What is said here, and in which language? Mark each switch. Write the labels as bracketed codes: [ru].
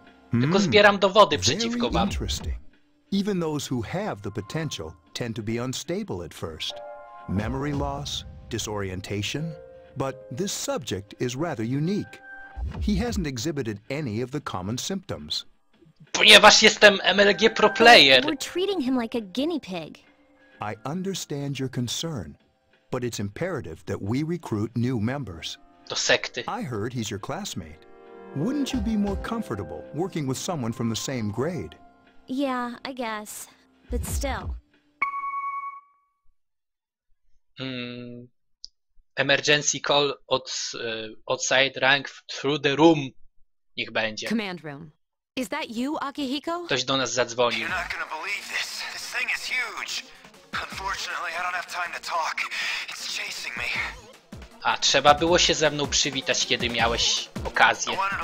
[pl] Tylko zbieram dowody przeciwko wam. [en] Even those who have the potential tend to be unstable at first. Memory loss, disorientation. But this subject is rather unique. He hasn't exhibited any of the common symptoms. [pl] Ponieważ jestem MLG pro player. [en] We're treating him like a guinea pig. I understand your concern, but it's imperative that we recruit new members. [pl] Do sekty. [en] I heard he's your classmate. Wouldn't you be more comfortable working with someone from the same grade? Yeah, I guess. But still. Emergency call outside rank through the room. [pl] Niech będzie. [en] Command room. Is that you, Akihiko? [pl] Ktoś do nas zadzwonił. [en] You're not gonna believe this. This thing is huge. Unfortunately, I don't have time to talk. It's chasing me. [pl] A trzeba było się ze mną przywitać, kiedy miałeś okazję.